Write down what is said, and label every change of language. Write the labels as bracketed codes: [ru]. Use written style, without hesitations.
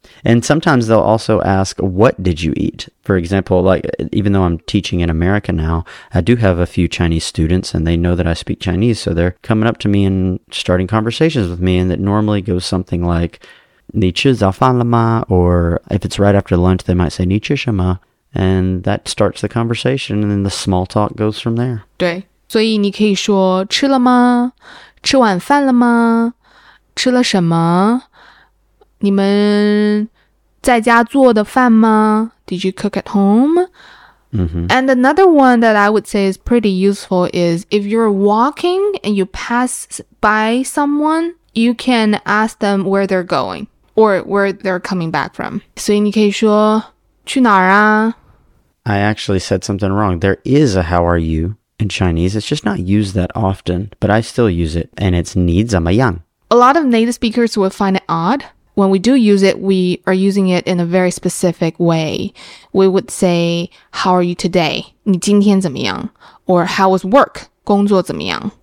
[en] And sometimes they'll also ask, what did you eat? For example, like, even though I'm teaching in America now, I do have a few Chinese students and they know that I speak Chinese. So they're coming up to me and starting conversations with me. And that normally goes something like, [zh] 你吃早饭了吗? [en] Or if it's right after lunch, they might say, [zh] 你吃什么? [en] And that starts the conversation, and then the small talk goes from there. [zh] 对，所以你可以说吃了吗？吃晚饭了吗？吃了什么？你们在家做的饭吗？ [en] Did you cook at home? Mm-hmm. And another one that I would say is pretty useful is if you're walking and you pass by someone, you can ask them where they're going or where they're coming back from. [zh] 所以你可以说去哪儿啊? [en] I actually said something wrong. There is a how are you in Chinese. It's just not used that often, but I still use it, and it's [zh] 你怎么样? [en] A lot of native speakers will find it odd. When we do use it, we are using it in a very specific way. We would say, how are you today? [zh] 你今天怎么样? [en] Or how was work? [zh] 工作怎么样?